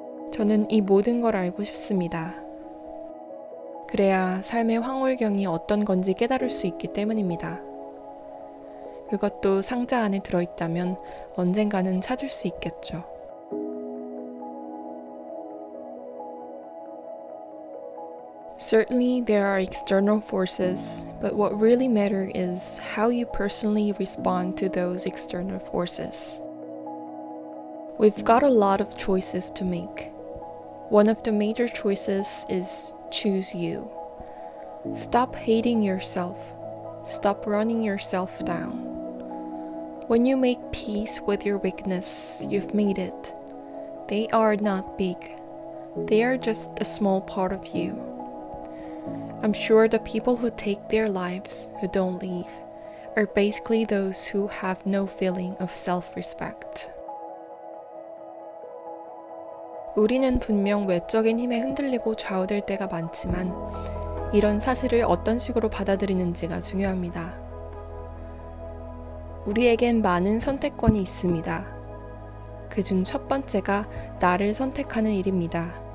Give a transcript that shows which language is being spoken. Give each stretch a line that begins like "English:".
Korean: 저는 이 모든 걸 알고 싶습니다. 그래야 삶의 황홀경이 어떤 건지 깨달을 수 있기 때문입니다. 그것도 상자 안에 들어있다면 언젠가는 찾을 수 있겠죠.
English: 'Certainly there are external forces, but what really matters is how you personally respond to those external forces. We've got a lot of choices to make. One of the major choices is choose you. Stop hating yourself. Stop running yourself down. When you make peace with your weakness, you've made it. They are not big. They are just a small part of you. I'm sure the people who take their lives, who don't leave, are basically those who have no feeling of self-respect.
Korean: 우리는 분명 외적인 힘에 흔들리고 좌우될 때가 많지만 이런 사실을 어떤 식으로 받아들이는지가 중요합니다. 우리에겐 많은 선택권이 있습니다. 그중 첫 번째가 나를 선택하는 일입니다.